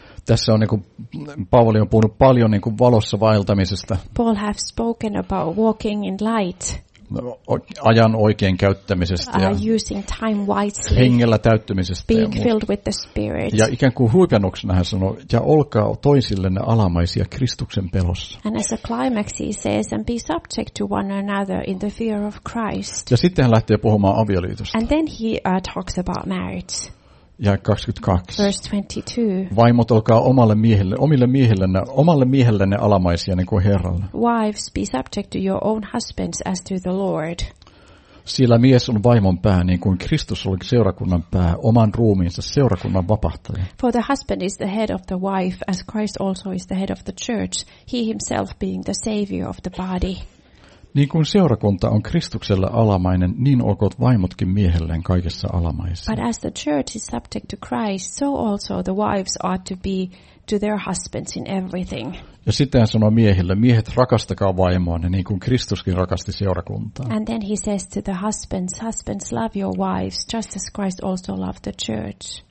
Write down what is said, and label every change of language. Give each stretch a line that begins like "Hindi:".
Finnish: Tässä on niinku Pauli on puhunut paljon niinku valossa vaeltamisesta.
English: Paul has spoken about walking in light.
Finnish: Ajan oikein käyttämisestä ja
English: using time wisely,
Finnish: hengellä täyttymisestä
English: being filled with the spirit.
Finnish: Ja ikään kuin huipennuksena hän sanoo, ja olkaa toisillenne alamaisia Kristuksen pelossa.
English: And as a climax he says, and be subject to one another in the fear of Christ.
Finnish: Ja sitten hän lähtee puhumaan avioliitosta.
English: And then he talks about marriage.
Finnish: Ja 22.
English: Verse 22.
Finnish: Vaimot olkaa omille miehillenne alamaisia niin kuin Herralle.
English: Wives, be subject to your own husbands as to the Lord.
Finnish: Sillä mies on vaimon pää, niin kuin Kristus oli seurakunnan pää, oman ruumiinsa seurakunnan vapahtaja.
English: For the husband is the head of the wife, as Christ also is the head of the church, he himself being the savior of the body.
Finnish: Niin kuin seurakunta on Kristukselle alamainen, niin olkoot vaimotkin miehelleen kaikessa alamaisia.
English: But as the church is subject to Christ, so also the wives ought to be to their husbands in everything.
Finnish: Ja sitten hän sanoo miehille, miehet rakastakaa vaimoanne niin kuin Kristuskin rakasti seurakuntaa.
English: And then he says to the husbands, husbands love your wives just as Christ also loved the church.